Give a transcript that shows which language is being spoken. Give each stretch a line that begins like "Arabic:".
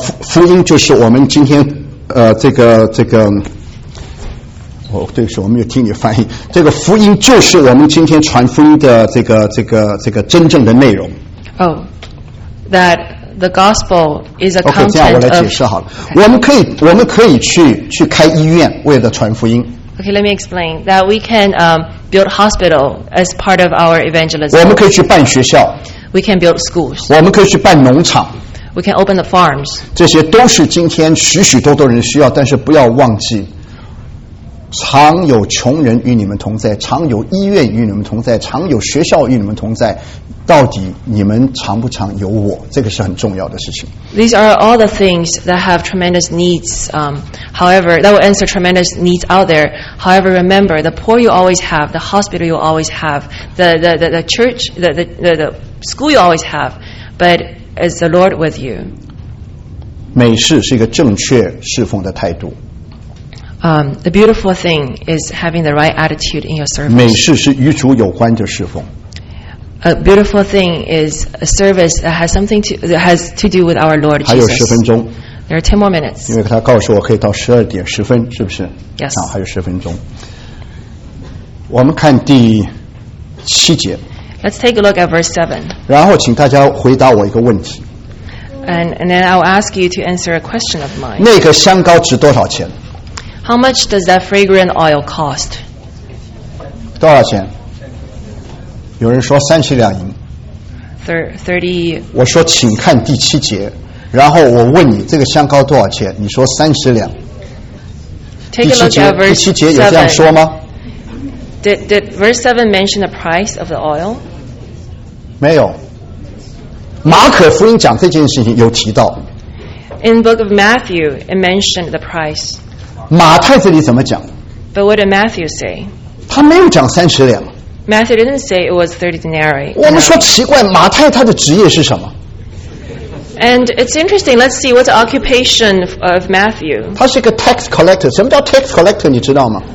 Chinese: 福音就是我们今天这个。哦，对不起，我没有听你翻译。这个福音就是我们今天传福音的这个真正的内容。
English: Oh, that the gospel is a content of.
Chinese: OK， 这样我来解释好了。
English: Okay.
Chinese: 我们可以去开医院，为了传福音。
English: OK, let me explain that we can build hospital as part of our evangelism.
Chinese: 我们可以去办学校。
English: We can build schools.
Chinese: 我们可以去办农场。
English: We can open the farms.
Chinese: 这些都是今天许许多多人需要，但是不要忘记。常有穷人与你们同在，常有医院与你们同在，常有学校与你们同在。到底你们常不常有我？这个是很重要的事情。
English: These are all the things that have tremendous needs. However, that will answer tremendous needs out there. However, remember the poor you always have, the hospital you always have, the church, the school you always have. But is the Lord with you?
Chinese: 美事是一个正确侍奉的态度。
English: The beautiful thing is having the right attitude in your service.
Chinese: 美事是与主有关的侍奉。
English: A beautiful thing is a service that has something to that has to do with our Lord Jesus.
Chinese: 还有十分钟。
English: There are 10 more minutes.
Chinese: 因为他告诉我可以到12点10分，是不是？
English: Yes.
Chinese: 好，还有十分钟。我们看第七节。
English: Let's take a look at verse 7.
Chinese: 然后请大家回答我一个问题。
English: And then I'll ask you to answer a question of mine.
Chinese: 那个香膏值多少钱？
English: How much does that fragrant oil cost?
Chinese: 多少钱？有人说32两银。
English: 30.
Chinese: 我说请看第七节。然后我问你这个香膏多少钱？你说30两。
English: Take a look at verse 7.
Chinese: 第七节有这样说吗？
English: Did verse 7 mention the price of the oil?
Chinese: 没有。马可福音讲这件事情有提到。
English: In the book of Matthew, it mentioned the price.
Chinese: 马太这里怎么讲？
English: But what did Matthew say?
Chinese: 他没有讲30两。
English: Matthew didn't say it was 30 denarii.
Chinese: 我们说奇怪，马太他的职业是什么？
English: And it's interesting, let's see what's the occupation of Matthew.
Chinese: 他是一个
English: tax collector.
Chinese: 什么叫 tax collector, 你知道吗？